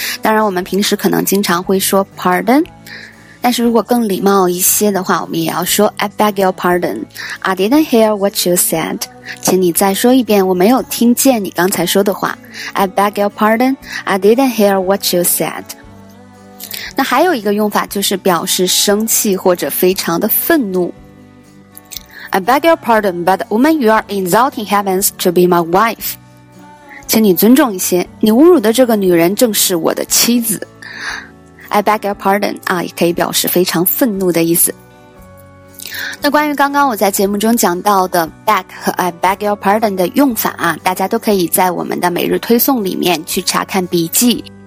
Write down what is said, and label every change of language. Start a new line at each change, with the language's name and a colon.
Chinese: 当然我们平时可能经常会说 pardon， 但是如果更礼貌一些的话，我们也要说
English: I beg your pardon, I didn't hear what you said.
Chinese: 请你再说一遍，我没有听见你刚才说的话。
English: I beg your pardon, I didn't hear what you said。
Chinese: 那还有一个用法就是表示生气或者非常的愤怒。
English: I beg your pardon, but the woman you are insulting happens to be my wife.
Chinese: 请你尊重一些，你侮辱的这个女人正是我的妻子。
English: I beg your pardon,
Chinese: 啊，也可以表示非常愤怒的意思。那关于刚刚我在节目中讲到的 beg 和
English: I beg your pardon
Chinese: 的用法啊，大家都可以在我们的每日推送里面去查看笔记。